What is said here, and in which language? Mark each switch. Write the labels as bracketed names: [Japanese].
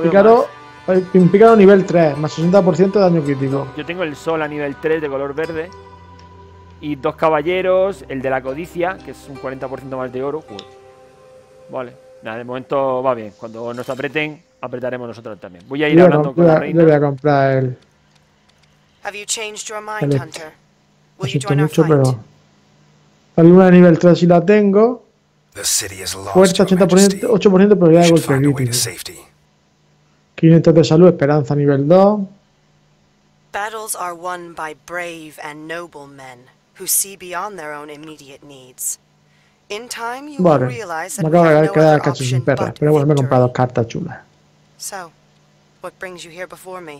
[Spanish] pícaro, un pícaro nivel 3, más 60% de daño crítico. Yo tengo el sol a nivel 3 de color verde. Y dos caballeros, el de la codicia, que es un 40% más de oro. Uy. Vale, nada, de momento va bien. Cuando nos apreten... apretaremos nosotros también. Voy a ir hablando con la reina. Yo voy a comprar el... [English] Have you changed your mind, Hunter? Will you join our fight? [Spanish] La luna de nivel 3 si la tengo. Fuerza 80%, 8%, pero ya de golpe crítico. 500 de salud, esperanza nivel 2. [English] Battles are won by brave and noble men who see beyond their own immediate needs. In time you will realize that we have no other option but victory. [Spanish] Pero bueno, me he comprado cartas chulas. [English] So, what brings you here before me?